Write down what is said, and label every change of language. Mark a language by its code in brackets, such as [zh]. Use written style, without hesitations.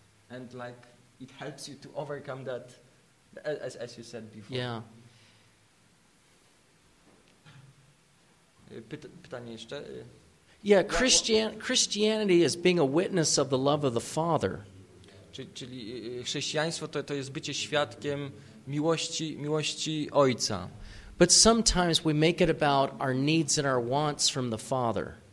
[en] And like it helps you to overcome that as you said before. Yeah. [pl] Pytanie jeszcze. [en] Yeah, Christianity is being a witness of the love of the Father. [pl] Czyli chrześcijaństwo to jest bycie świadkiem miłości Ojca. [en] But sometimes we make it about our needs and our wants from the Father.